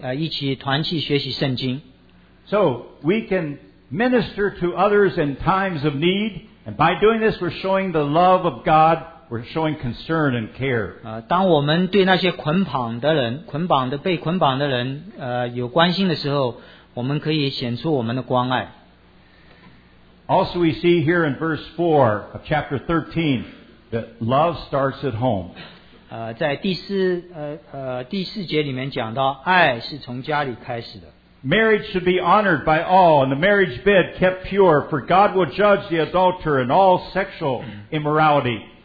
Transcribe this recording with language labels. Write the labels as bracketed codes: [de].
[zh] 去跟那些被关押的男的女的一起，我们他们有一个学习的机会，一起团契学习圣经。 [en] So we can minister to others in times of need, and by doing this, we're showing the love of God. We're showing concern and care. [zh] 当我们对那些捆绑的人，捆绑的被捆绑的人，有关心的时候，我们可以显出我们的关爱。 [en] Also, we see here in verse 4 of chapter 13 that love starts at home. [zh] 在第四节里面讲到，爱是从家里开始的。 [en] Marriage should be honored by all, and the marriage bed kept pure, for God will judge the adulterer and all sexual immorality.